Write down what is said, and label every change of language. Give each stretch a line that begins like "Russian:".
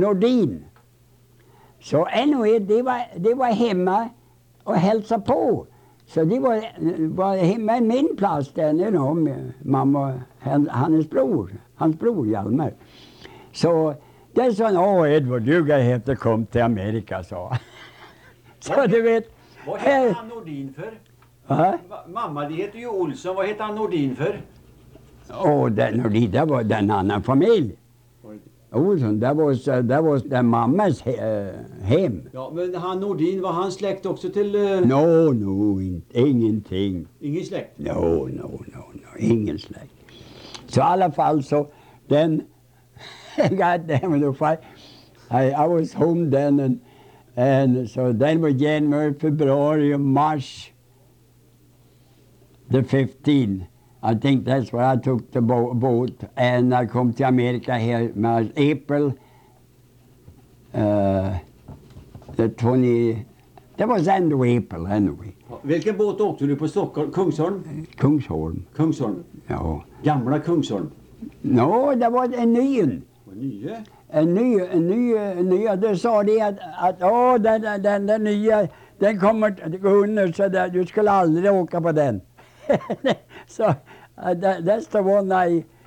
English: Nordin. So anyway, they were
Swedish: hemma och hälsa på.
English: So they were
Swedish: hemma i min plats där,
English: you know,
Swedish: mamma, hans bror
English: Hjalmar. So then son, oh Edward, you gonna have to come to America, so. So okay.
Swedish: Du vet. Vad heter han Nordin för? Va? Mamma, det heter ju Olsson. Vad heter han Nordin för? Åh, den Nordin, det var den annan familj. Olsson, det var den mammas hem. Ja, men han Nordin, var han släkt också till... No, ingenting. Ingen släkt? No, ingen släkt. Så i alla fall så, den...
English: God damn it, I was home then and... And so then we January, February, March, the 15th. I think that's where I took the boat and I come to America here in April, the 20, that was end of April anyway.
Swedish: Vilken båt åkte du på Stockholm? Kungsholm? Kungsholm. Kungsholm? Ja. Gamla Kungsholm?
English: No, that was a new one. A new one?
Swedish: En nya, då sa de att åh, den nya, den kommer att gå under så där, du skulle aldrig åka på den. Så,
English: that's the one I,